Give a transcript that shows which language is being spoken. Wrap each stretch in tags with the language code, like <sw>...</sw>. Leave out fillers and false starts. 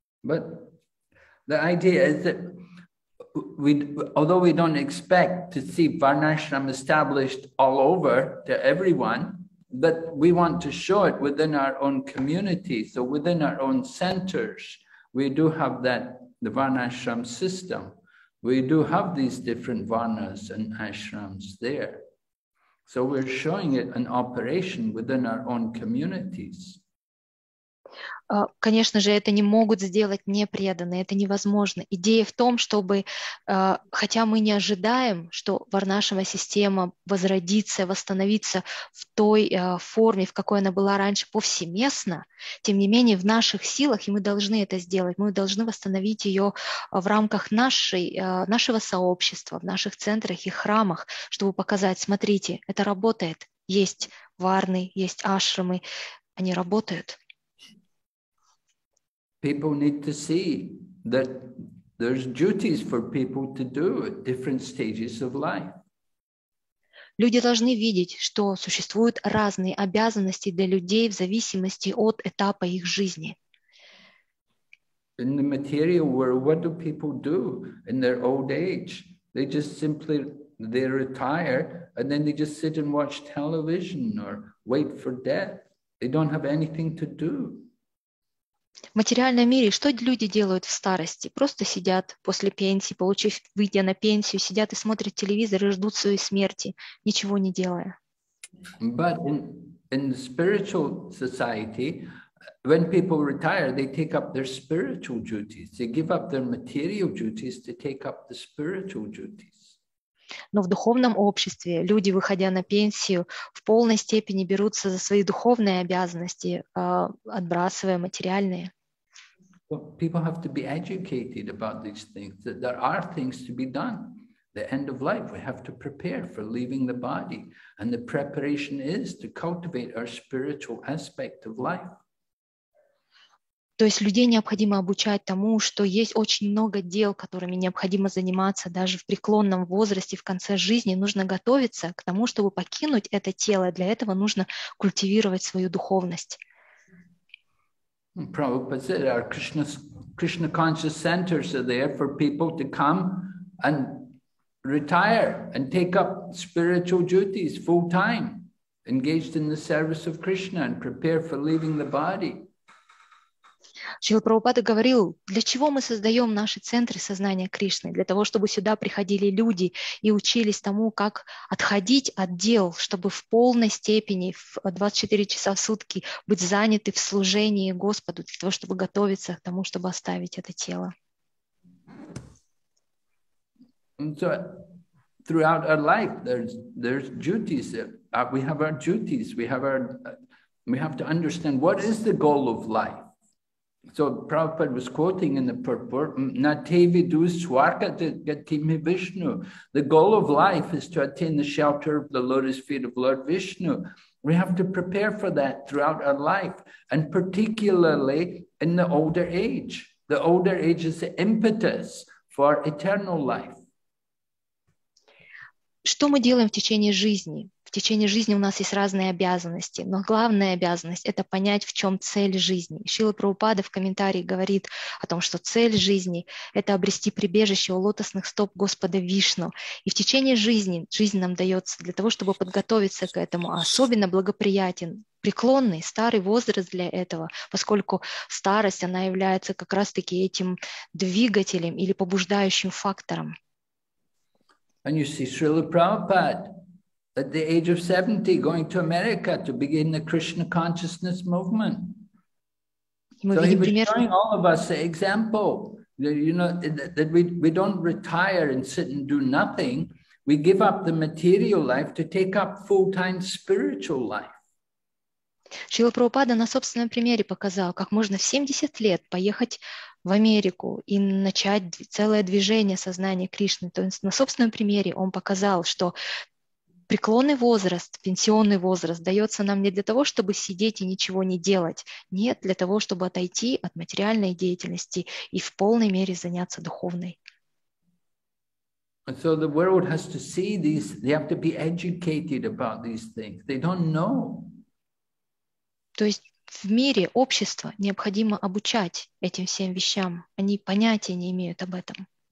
<en>But the idea is that although we don't expect to see Varnashram established all over to everyone, but we want to show it within our own community. So within our own centers, we do have that, the Varnashram system. We do have these different varnas and ashrams there. So we're showing it an operation within our own communities.</en> <ru>Конечно же, это не могут сделать непреданные, это невозможно. Идея в том, чтобы, хотя мы не ожидаем, что варнашрама система возродится, восстановится в той форме, в какой она была раньше повсеместно, тем не менее в наших силах, и мы должны это сделать, мы должны восстановить ее в рамках нашего сообщества, в наших центрах и храмах, чтобы показать, смотрите, это работает, есть варны, есть ашрамы, они работают.</ru> <en>People need to see that there's duties for people to do at different stages of life.</en> <ru>Люди должны видеть, что существуют разные обязанности для людей в зависимости от этапа их жизни.</ru> <en>In the material world, what do people do in their old age? They just simply, they retire, and then they just sit and watch television or wait for death. They don't have anything to do.</en> <ru>В материальном мире что люди делают в старости? Просто сидят после пенсии, получив, выйдя на пенсию, сидят и смотрят телевизор и ждут своей смерти, ничего не делая.</ru> <en>But in spiritual society, when people retire, they take up their spiritual duties. They give up their material duties to take up the spiritual duties.</en> <ru>Но в духовном обществе люди, выходя на пенсию, в полной степени берутся за свои духовные обязанности, отбрасывая материальные.</ru> <en>People have to be educated about these things, that there are things to be done. The end of life, we have to prepare for leaving the body. And the preparation is to cultivate our spiritual aspect of life.</en> <ru>То есть людей необходимо обучать тому, что есть очень много дел, которыми необходимо заниматься даже в преклонном возрасте, в конце жизни. Нужно готовиться к тому, чтобы покинуть это тело. Для этого нужно культивировать свою духовность.</ru> <en>Prabhupada said, our Krishna conscious centers are there for people to come and retire and take up spiritual duties full time, engaged in the service of Krishna and prepare for leaving the body.</en> <ru>Шрила Прабхупада говорил, для чего мы создаем наши центры сознания Кришны? Для того, чтобы сюда приходили люди и учились тому, как отходить от дел, чтобы в полной степени, в 24 часа в сутки быть заняты в служении Господу, для того, чтобы готовиться к тому, чтобы оставить это тело.</ru> <en>So, throughout our life, there's duties. We have to understand what is the goal of life. So Prabhupada was quoting in the purport,</en> <sa>Natevidu Swarkati Gatimhi Vishnu.</sa> <en>The goal of life is to attain the shelter of the lotus feet of Lord Vishnu. We have to prepare for that throughout our life, and particularly in the older age. The older age is the impetus for eternal life.</en> <ru>Что мы делаем в течение жизни? В течение жизни у нас есть разные обязанности, но главная обязанность – это понять, в чем цель жизни. Шрила Прабхупада в комментарии говорит о том, что цель жизни – это обрести прибежище у лотосных стоп Господа Вишну. И в течение жизни жизнь нам дается для того, чтобы подготовиться к этому, а особенно благоприятен преклонный старый возраст для этого, поскольку старость, она является как раз-таки этим двигателем или побуждающим фактором.</ru> <en>And you see Srila Prabhupada at the age of 70 going to America to begin the Krishna consciousness movement. So he was showing all of us the example that, you know, that we don't retire and sit and do nothing. We give up the material life to take up full-time spiritual life.</en> <ru>Шрила Прабхупада на собственном примере показал, как можно в 70 лет поехать в Америку и начать целое движение сознания Кришны. То есть на собственном примере он показал, что преклонный возраст, пенсионный возраст дается нам не для того, чтобы сидеть и ничего не делать. Нет, для того, чтобы отойти от материальной деятельности и в полной мере заняться духовной.</ru> <en>And so the world has to see these, they have to be educated about these things. They don't know.</en> <ru>То есть в мире общество необходимо обучать этим всем вещам. Они понятия не имеют об этом.</ru>